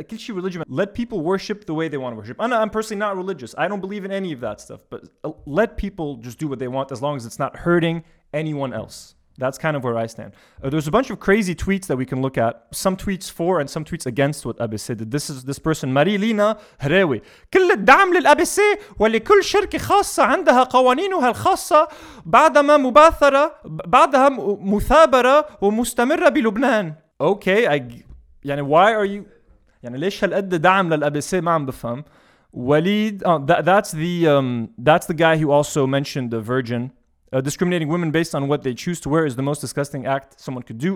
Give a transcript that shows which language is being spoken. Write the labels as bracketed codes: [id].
[en] Kishi religion, let people worship the way they want to worship. I'm personally not religious. I don't believe in any of that stuff. But let people just do what they want as long as it's not hurting anyone else. That's kind of where I stand. There's a bunch of crazy tweets that we can look at. Some tweets for and some tweets against what Abbas said. This is this person, Marie Lina Hrewi. [ar] كل الدعم للأبس ولكل شركة خاصة عندها قوانينها الخاصة بعدما مباثرة بعدها مثابرة ومستمرة بلبنان. Okay, يعني [en] why are you, [ar] يعني ليش هالقد دعم للأبس ما عم بفهم. [en] Waleed, that's the guy who also mentioned the Virgin. Discriminating women based on what they choose to wear is the most disgusting act someone could do.